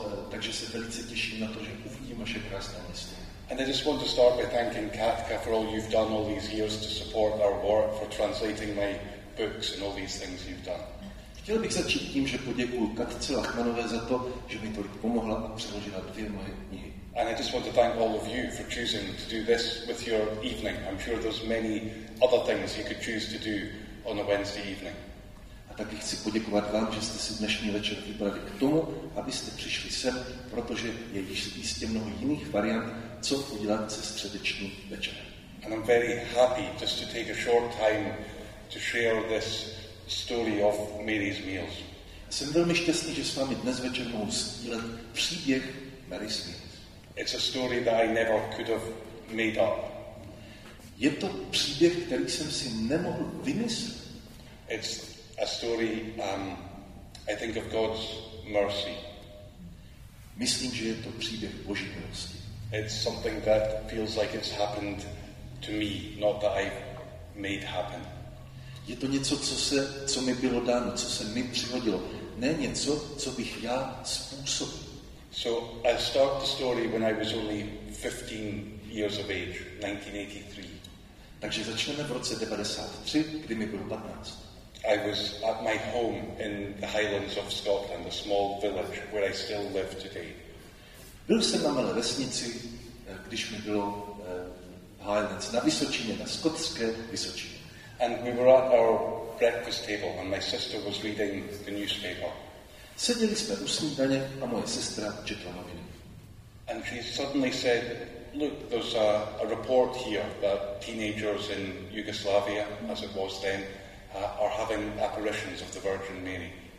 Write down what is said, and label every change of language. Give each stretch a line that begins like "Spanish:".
Czech: Takže se velice těším na to, že uvidím vaše krásné město.
English: And I just want to start by thanking Katka for all you've done all these years to support our work, for translating my books and all these things you've done.
Czech: Chtěl bych začít tím, že poděkuju Katce Lachmanové za to, že mi tolik pomohla a přeložila dvě moje knihy.
English: And I just want to thank all of you for choosing to do this with your evening. I'm sure there's many other things you could choose to do on a Wednesday evening.
Czech: Taky chci poděkovat vám, že jste si dnešní večer vybrali k tomu, abyste přišli sem, protože je jistě mnoho jiných variant, co udělat se středeční večerem.
English: And I'm very happy just to take a short time to share this story of Mary's meals.
Czech: Jsem velmi šťastný, že s vámi dnes večer mohu sdílet příběh Mary's meals.
English: It's a story that I never could have made up.
Czech: Je to příběh, který jsem si nemohl vymyslet.
English: It's a story, I think of God's mercy.
Czech: Myslím, že je to příběh Boží milosti.
English: It's something that feels like it's happened to me, not that I've made happen.
Czech: Je to něco, co mi bylo dáno, co se mi přihodilo. Ne něco, co bych já způsobil.
English: So I start the story when I was only 15 years of age, 1983.
Czech: Takže začneme v roce 93, kdy mi bylo 15.
English: I was at my home in the Highlands of Scotland, a small village where I still live today.
Czech: Byl jsem na malé vesnici, když mi bylo Highlands, na Vysočině, na Skotské Vysočině.
English: And we were at our breakfast table and my sister was reading the newspaper.
Czech: Seděli jsme u snídaně a moje sestra četla noviny.
English: And she suddenly said, look, there's a report here that teenagers in Yugoslavia, as it was then, are having apparitions of the Virgin Mary.